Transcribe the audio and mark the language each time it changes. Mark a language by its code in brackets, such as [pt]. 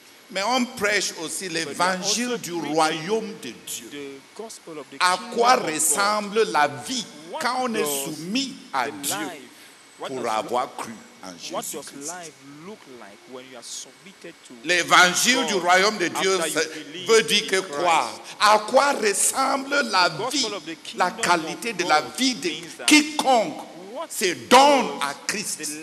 [fr] Mais on prêche aussi l'évangile du royaume de Dieu. À quoi ressemble la vie quand on est soumis à Dieu? pour avoir cru en Jésus-Christ. [en] What does life look like when you are submitted to [fr] l'évangile du royaume de Dieu veut dire que quoi? À quoi ressemble la vie, la qualité de la vie de quiconque se donne à Christ?